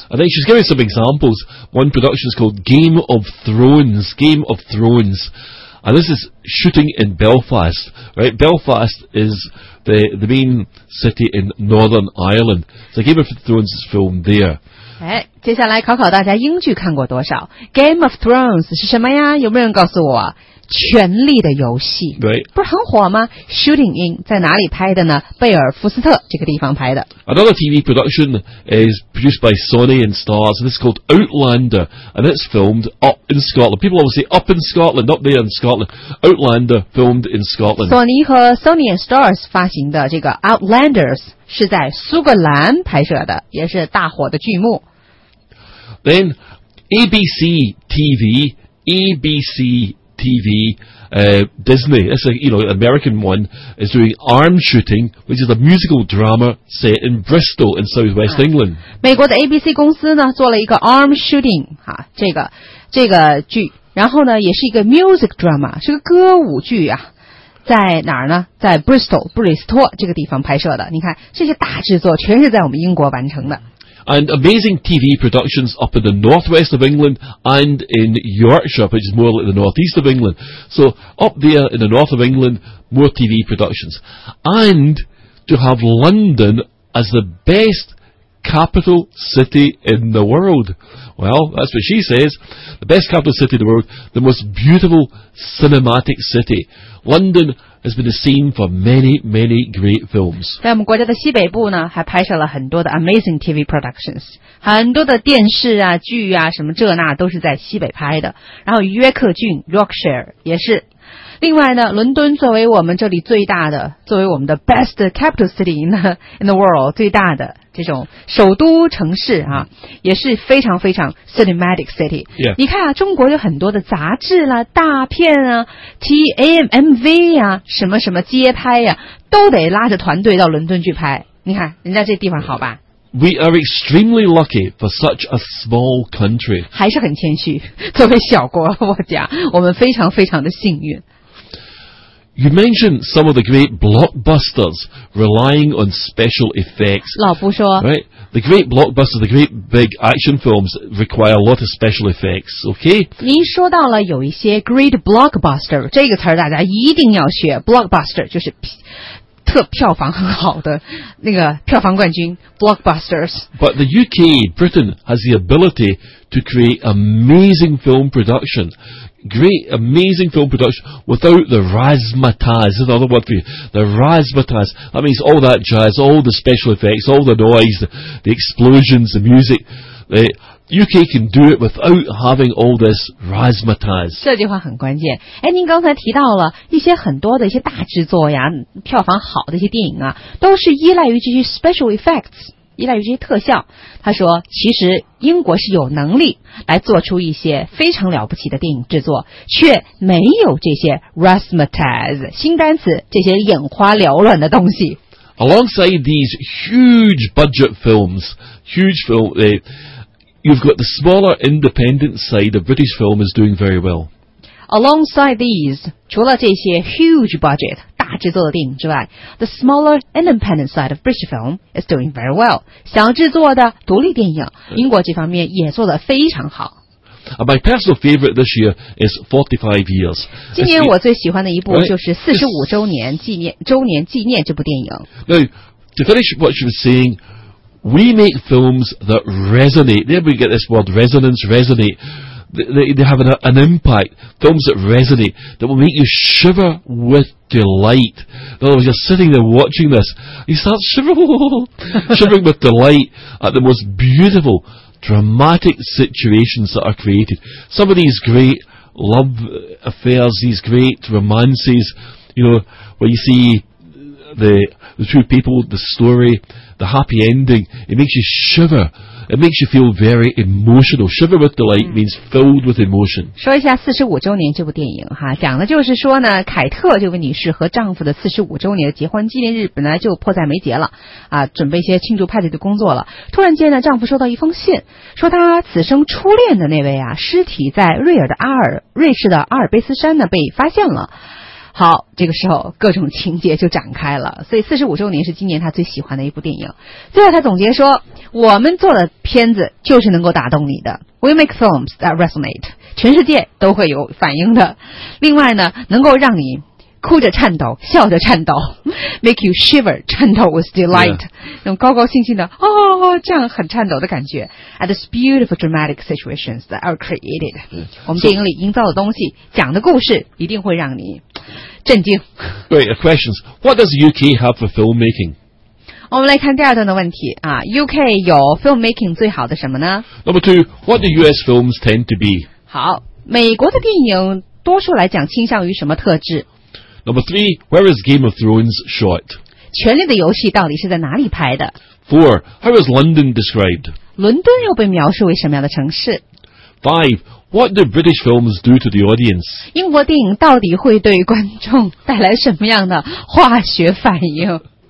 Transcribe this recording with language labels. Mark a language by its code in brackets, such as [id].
[en] I think she's giving some examples. One production is called Game of Thrones. Game of Thrones. And this is shooting in Belfast, right? Belfast is the main city in Northern Ireland. So Game of Thrones is filmed there. [zh] 哎，接下来考考大家英剧看过多少？ Game of Thrones 是什么呀？有没有人告诉我？权力的游戏。对，不是很火吗？ [en] Shooting In [zh] 在哪里拍的呢？贝尔福斯特这个地方拍的。 [en] Another TV production is produced by Sony and Starz, and it's called Outlander, and it's filmed up in Scotland. People always say up in Scotland, not there in Scotland. Outlander filmed in Scotland. [zh] 索尼和 Sony and Starz 发行的这个 Outlanders 是在苏格兰拍摄的，也是大火的剧目。 [en] Then ABC TV, ABC TV, Disney, it's a, you know, American one, is doing Arm Shooting, which is a musical drama set in Bristol in southwest England. [zh] 美国的 ABC 公司呢做了一个 Arm Shooting, 啊，这个剧，然后呢也是一个 [en] music drama, [zh] 是个歌舞剧啊。在哪儿呢？在 Bristol, 布里斯托这个地方拍摄的。你看这些大制作全是在我们英国完成的。 [en] And amazing TV productions up in the northwest of England and in Yorkshire, which is more like the northeast of England. So up there in the north of England, more TV productions. And to have London as the best capital city in the world. Well, that's what she says. The best capital city in the world, the most beautiful cinematic city. London has been the scene for many, many great films. [zh] 在我们国家的西北部呢，还拍摄了很多的 [en] amazing TV productions， [zh] 很多的电视啊、剧啊、什么这那都是在西北拍的。然后约克郡 Yorkshire 也是。另外呢，伦敦作为我们这里最大的，作为我们的 [en] best capital city in the world， [zh] 最大的这种首都城市啊，也是非常非常 [en] cinematic city。 Yeah. [zh] 你看啊，中国有很多的杂志啦、啊、大片啊、TAMMV 啊、什么什么街拍呀、啊，都得拉着团队到伦敦去拍。你看人家这地方好吧？ [en] We are extremely lucky for such a small country. [zh] 还是很谦虚，作为小国我家，我们非常非常的幸运。 [en] You mentioned some of the great blockbusters relying on special effects. [zh] 老夫说 [en] Right, the great blockbusters, the great big action films require a lot of special effects, okay? [zh] 您说到了有一些 [en] great blockbuster, [zh] 这个词大家一定要学 blockbuster 就是特票房很好的那个票房冠军 blockbusters. [en] But the UK, Britain has the ability to create amazing film production. Great, amazing film production without the razzmatazz. Is another word for you. The razzmatazz. That means all that jazz, all the special effects, all the noise, the explosions, the music. The UK can do it without having all this razzmatazz. [zh] 这句话很关键。哎，您刚才提到了一些很多的一些大制作呀，票房好的一些电影啊，都是依赖于这些 [en] special effects。 [zh] 依赖于这些特效，他说其实英国是有能力来做出一些非常了不起的电影制作，却没有这些 razzmatazz 新单词，这些眼花缭乱的东西。 [en] Alongside these huge budget films, huge film, you've got the smaller independent side of British film is doing very well. Alongside these, [zh] 除了这些 [en] huge budget, [zh] 大制作的电影之外 [en] ，the smaller independent side of British film is doing very well. [zh] 小制作的独立电影，英国这方面也做得非常好。 [en] And my personal favorite this year is 45 years. [zh] 今年我最喜欢的一部就是45周年纪念这部电影。 [en] Now, to finish what she was saying, we make films that resonate. There we get this word resonance, resonate. They have an impact, films that resonate, that will make you shiver with delight. In other words, you're sitting there watching this, you start shivering with delight at the most beautiful, dramatic situations that are created. Some of these great love affairs, these great romances, you know, where you see the two people, the story, the happy ending, it makes you shiver. It makes you feel very emotional. Shiver with delight means filled with emotion. [zh] 说一下45周年这部电影哈，讲的就是说呢，凯特这位女士和丈夫的45周年的结婚纪念日本来就迫在眉睫了啊，准备一些庆祝派对的工作了。突然间呢，丈夫收到一封信，说他此生初恋的那位啊，尸体在瑞士的阿尔卑斯山呢被发现了。好，这个时候各种情节就展开了，所以45周年是今年他最喜欢的一部电影。最后他总结说，我们做的片子就是能够打动你的， [en] We make films that resonate， [zh] 全世界都会有反应的。另外呢，能够让你哭着颤抖，笑着颤抖， [en] make you shiver, [zh] 颤抖 [en] with delight,、yeah. [zh] 那种高高兴兴的哦，这样很颤抖的感觉。 [en] And these beautiful dramatic situations that are created,、 yeah. [zh] 我们电影里营造的东西、讲的故事，一定会让你震惊。 [en] Right, questions. What does UK have for filmmaking? [zh] 我们来看第二段的问题、啊、UK 有 filmmaking 最好的什么呢 [en] Number two, what do US films tend to be? [zh] 好美国的电影多数来讲倾向于什么特质 [en] Number three, where is Game of Thrones shot? [zh] 权力的游戏到底是在哪里拍的 [en] Four, how is London described? [zh] 伦敦又被描述为什么样的城市 [en] Five, what do British films do to the audience? [zh] 英国电影到底会对观众带来什么样的化学反应